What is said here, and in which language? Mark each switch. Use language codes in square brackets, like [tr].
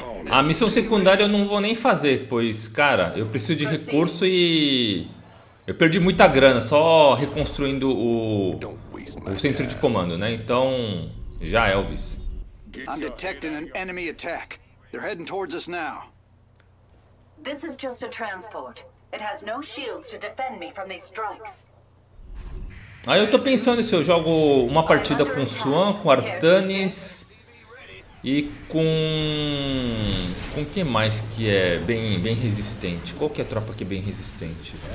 [pt] A missão secundária eu não vou nem fazer, pois, cara, eu preciso de recurso e eu perdi muita grana só reconstruindo o centro de comando, né? Então, já, Elvis. [en] I'm detecting an enemy attack. They're heading towards us now. This is just a transport. It has no shields to defend me from these strikes. [pt] Aí eu tô pensando se eu jogo uma partida com Swan, com Artanis. E com quem mais que é bem resistente? Qual que é a tropa que é bem resistente?